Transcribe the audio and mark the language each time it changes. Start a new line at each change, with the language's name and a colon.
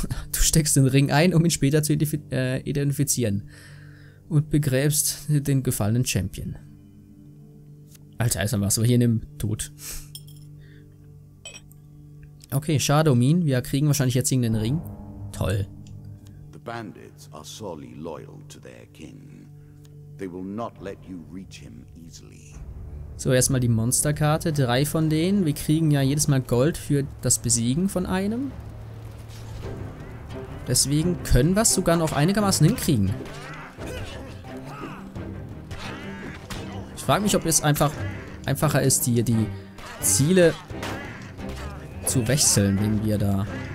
German: Du steckst den Ring ein, um ihn später zu identifizieren. Und begräbst den gefallenen Champion. Alter, ist dann was, hier in dem Tod. Okay, schade um ihn. Wir kriegen wahrscheinlich jetzt irgendeinen Ring. Toll.
English: The bandits are sorely loyal to their king. They will not let you reach him easily.
German: So, erstmal die Monsterkarte. 3 von denen. Wir kriegen ja jedes Mal Gold für das Besiegen von einem. Deswegen können wir es sogar noch einigermaßen hinkriegen. Ich frage mich, ob es einfacher ist, die Ziele zu wechseln, wenn wir da...